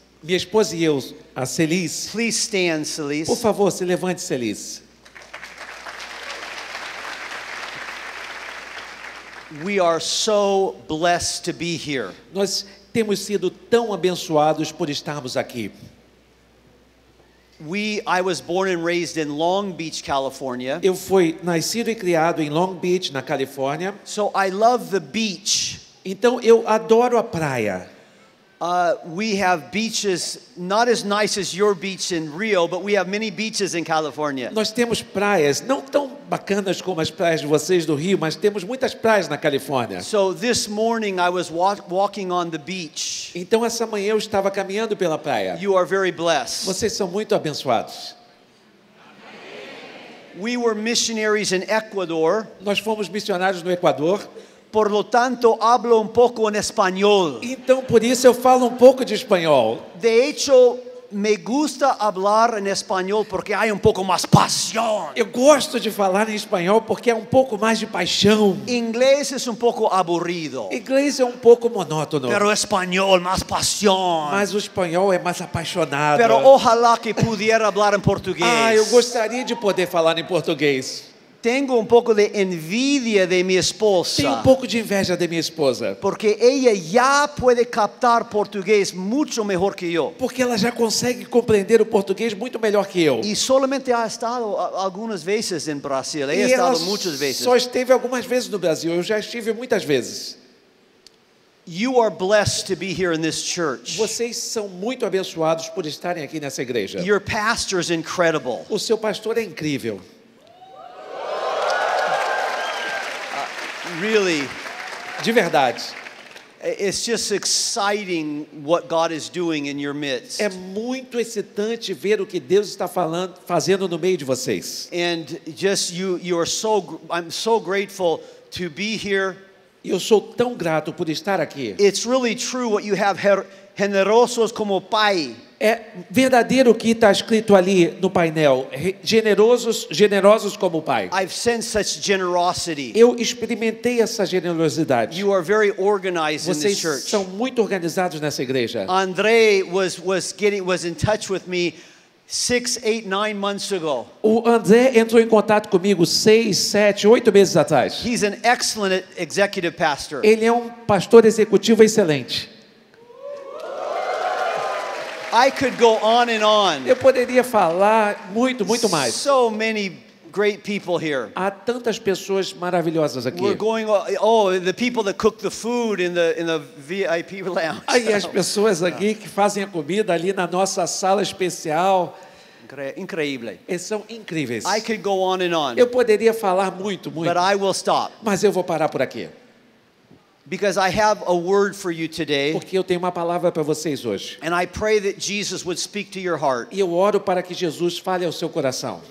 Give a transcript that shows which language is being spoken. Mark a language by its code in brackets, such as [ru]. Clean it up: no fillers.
[pt] Minha esposa e eu, a Celise. [en] Please stand, Celise. [pt] Por favor, se levante, Celise. [en] We are so blessed to be here. [pt] Nós temos sido tão abençoados por estarmos aqui. [en] I was born and raised in Long Beach, California. [pt] Eu fui nascido e criado em Long Beach, na Califórnia. [en] So I love the beach. [pt] Então eu adoro a praia. [en] We have beaches not as nice as your beach in Rio, but we have many beaches in California. [pt] Nós temos praias não tão bacanas como as praias de vocês do Rio, mas temos muitas praias na Califórnia. [en] So this morning I was walking on the beach. [pt] Então essa manhã eu estava caminhando pela praia. [en] You are very blessed. [pt] Vocês são muito abençoados. [en] We were missionaries in Ecuador. [pt] Nós fomos missionários no Equador. [es] Por lo tanto, hablo un poco en español. [pt] Então, por isso, eu falo um pouco de espanhol. [es] De hecho, me gusta hablar en español porque hay un poco más pasión. [pt] Eu gosto de falar em espanhol porque é um pouco mais de paixão. [es] Inglés es un poco aburrido. [pt] Inglês é um pouco monótono. [es] Pero español, más pasión. [pt] Mas o espanhol é mais apaixonado. [es] Pero ojalá que pudiera hablar en portugués. [pt] Ah, eu gostaria de poder falar em português. [es] Tengo un poco de envidia de mi esposa. [pt] Tenho um pouco de inveja de minha esposa. [es] Porque ella ya puede captar português mucho mejor que yo. [pt] Porque ela já consegue compreender o português muito melhor que eu. [es] Y solamente ha estado [pt] algumas vezes [es] en Brasil. [pt] E ela [es] muchas veces. [pt] Só esteve algumas vezes no Brasil. Eu já estive muitas vezes. [en] You are blessed to be here in this church. [pt] Vocês são muito abençoados por estarem aqui nessa igreja. [en] Your pastor is incredible. [pt] O seu pastor é incrível. [en] Really, [pt] de verdade. [en] It's just exciting what God is doing in your midst. [pt] É muito excitante ver o que Deus está fazendo no meio de vocês. [en] And just you are so, I'm so grateful to be here. [pt] Eu sou tão grato por estar aqui. [en] It's really true what you have [pt] generosos como pai. É verdadeiro o que está escrito ali no painel. Generosos, generosos como o Pai. [en] I've sensed such generosity. [pt] Eu experimentei essa generosidade. [en] You are very organized. [pt] Vocês [en] in this church. [pt] São muito organizados nessa igreja. [en] André was in touch with me 6, 8, 9 months ago. [pt] O André entrou em contato comigo 6, 7, 8 meses atrás. [en] He's an excellent executive pastor. [pt] Ele é um pastor executivo excelente. [en] I could go on and on. [pt] Eu poderia falar muito, muito mais. [en] So many great people here. [pt] Há tantas pessoas maravilhosas aqui. [en] We're going. Oh, the people that cook the food in the VIP lounge. [pt] Aí as pessoas aqui que fazem a comida ali na nossa sala especial. Incrível. Eles são incríveis. [en] I could go on and on. [pt] Eu poderia falar muito, muito. [en] But I will stop. [pt] Mas eu vou parar por aqui. [en] Because I have a word for you today. [pt] Porque eu tenho uma palavra para vocês hoje. [en] And I pray that Jesus would speak to your heart. [pt] E eu oro para que Jesus fale ao seu coração.